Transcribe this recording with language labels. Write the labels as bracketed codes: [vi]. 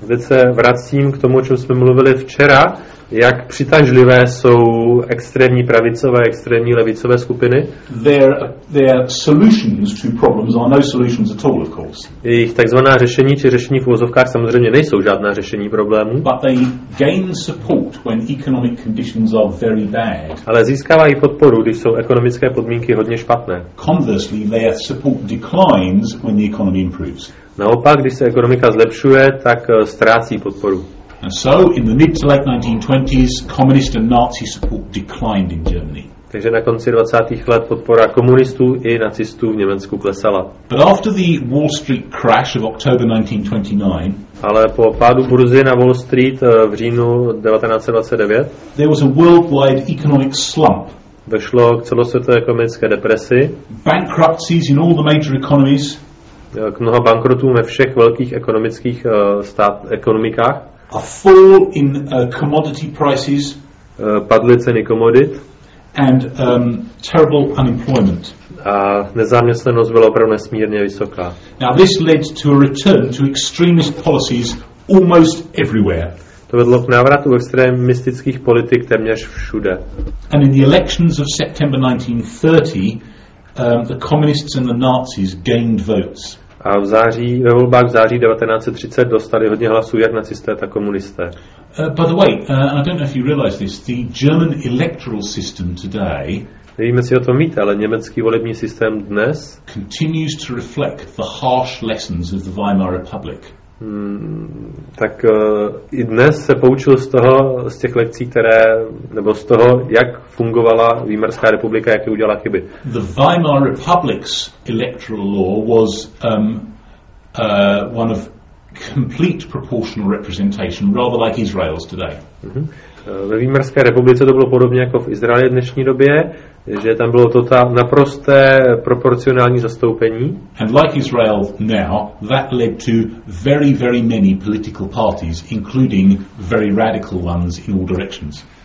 [cs] Teď se vracím k tomu, o čem jsme mluvili včera, jak přitažlivé jsou extrémní pravicové, extrémní levicové skupiny. [en] Their solutions to problems are no solutions at all, of course. [cs] Jejich takzvaná řešení či řešení v uvozovkách samozřejmě nejsou žádná řešení problémů. [en] But they gain support when economic conditions are very bad. [cs] Ale získávají podporu, když jsou ekonomické podmínky hodně špatné. [en] Conversely, their support declines when the economy improves. [cs] Naopak, když se ekonomika zlepšuje, tak ztrácí podporu. [en] And so in the mid to late 1920s, communist and Nazi support declined in Germany. [cs] Takže na konci 20. let podpora komunistů i nacistů v Německu klesala. [en] But after the Wall Street crash of October 1929, [cs] ale po pádu burzy na Wall Street v říjnu 1929, [en] there was a worldwide economic slump. [cs] Došlo k celosvětové ekonomické depresi. [en] Bankruptcies in all the major economies. [cs] K mnoha bankrotům ve všech velkých ekonomických ekonomikách. [en] A fall in commodity prices, [cs] padly ceny komodit, [en] and terrible unemployment. [cs] A nezaměstnanost byla opravdu nesmírně vysoká. [en] Now this led to a return to extremist policies almost everywhere. [cs] To vedlo k návratu extremistických politik téměř všude. [en] And in the elections of September 1930, the communists and the Nazis gained votes. [cs] A v září, ve volbách v září 1930 dostali hodně hlasů jak nacisté, tak komunisté. [en] By the way, I don't know if you realize this, the German electoral system today, [cs] nevíme, jestli o tom víte, ale německý volební systém dnes [en] continues to reflect the harsh lessons of the Weimar Republic. [cs] Tak i dnes se poučil z toho, z těch lekcí, které, nebo z toho, jak fungovala Weimarská republika, jak ji udělala chyby. [en] The Weimar Republic's electoral law was one of complete proportional representation, rather like Israel's today. [cs] Ve Weimarské republice to bylo podobně jako v Izraeli v dnešní době, že tam bylo to naprosté proporcionální zastoupení. [en] And like Israel now, that led to very, very many political parties, including very radical ones in all directions.